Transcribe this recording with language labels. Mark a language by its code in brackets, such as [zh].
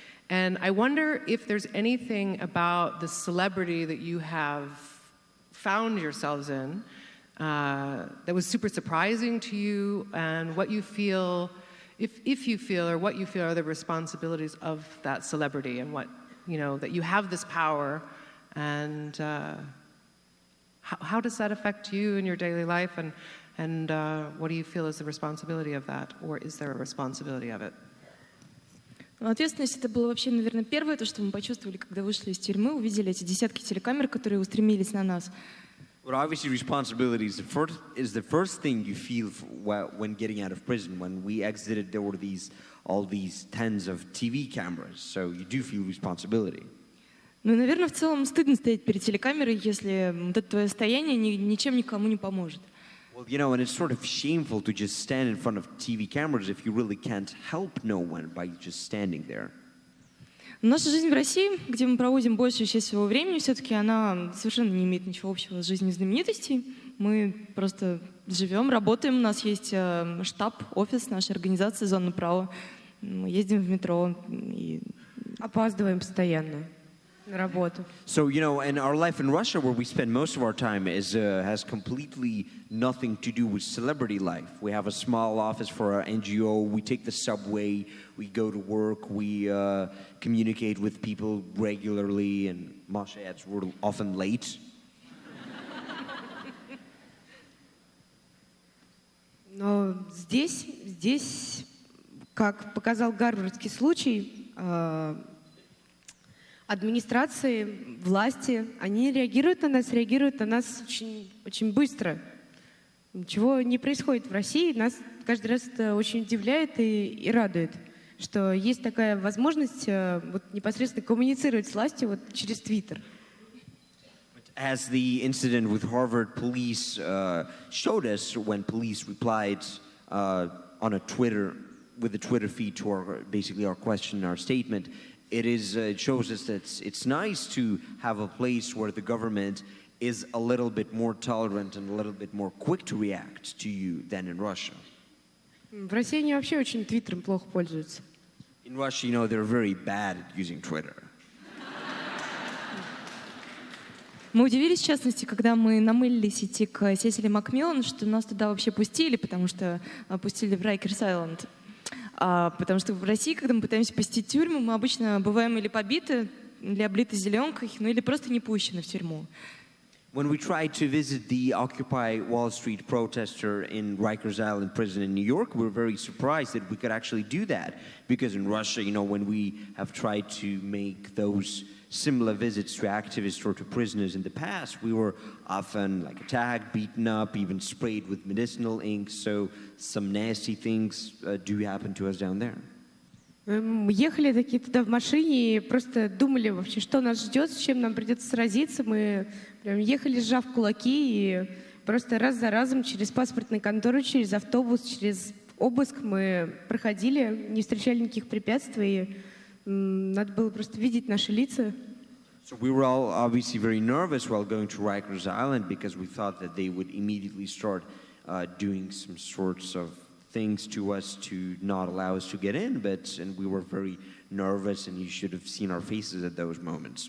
[en] And I wonder if there's anything about the celebrity that you have found yourselves in that was super surprising to you, and what you feel, if you feel, or what you feel are the responsibilities of that celebrity, and what, you know, that you have this power, and how does that affect you in your daily life, and what do you feel is the responsibility of that, or is there a responsibility of it? [ru] Ответственность — это было вообще, наверное, первое, то, что мы почувствовали, когда вышли из тюрьмы, увидели эти десятки телекамер, которые устремились на нас. [en] Well, obviously, responsibility is the first thing you feel when getting out of prison. When we exited, there were all these tens of TV cameras, so you do feel responsibility. [ru] Ну, наверное, в целом стыдно стоять перед телекамерой, если вот это твое стояние ничем никому не поможет. [en] Well, you know, and it's sort of shameful to just stand in front of TV cameras if you really can't help no one by just standing there. [ru] Наша жизнь в России, где мы проводим большую часть своего времени, все-таки она совершенно не имеет ничего общего с жизнью знаменитостей. Мы просто живем, работаем, у нас есть штаб, офис нашей организации «Зона права». Мы ездим в метро и опаздываем постоянно на работу. [en] So, you know, and our life in Russia, where we spend most of our time, has completely nothing to do with celebrity life. We have a small office for our NGO, we take the subway, we go to work, we communicate with people regularly, and Masha adds, we're often late. [ru] Но здесь, как показал гарвардский случай, администрации, власти, они реагируют на нас очень, очень быстро. Чего не происходит в России, нас каждый раз это очень удивляет и радует, что есть такая возможность вот непосредственно коммуницировать с властью вот через Twitter. [en] As the incident with Harvard police showed us, when police replied on a Twitter with the Twitter feed to our basically our question, our statement, it is it shows us that it's nice to have a place where the government is a little bit more tolerant and a little bit more quick to react to you than in Russia. [ru] В России они вообще очень Твиттером плохо пользуются. [en] In Russia, you know, they're very bad at using Twitter. [ru] Мы удивились, в частности, когда мы намылились идти к Сесили Макмиллан, что нас туда вообще пустили, потому что пустили в Райкерс Айленд. Потому что в России, когда мы пытаемся посетить тюрьму, мы обычно бываем или побиты, или облиты зеленкой, ну или просто не пущены в тюрьму. [en] When we tried to visit the Occupy Wall Street protester in Rikers Island prison in New York, we were very surprised that we could actually do that. Because in Russia, you know, when we have tried to make those similar visits to activists or to prisoners in the past, we were often like attacked, beaten up, even sprayed with medicinal ink. So some nasty things do happen to us down there. [ru] Мы ехали такие туда в машине и просто думали вообще, что нас ждет, с чем нам придется сразиться. Мы прям ехали, сжав кулаки, и просто раз за разом через паспортную контору, через автобус, через обыск мы проходили, не встречали никаких препятствий, и надо было просто видеть наши лица. [en] So we were all obviously very nervous while going to Rikers Island because we thought that they would immediately start doing some sorts of things to us to not allow us to get in, but and we were very nervous, and you should have seen our faces at those moments.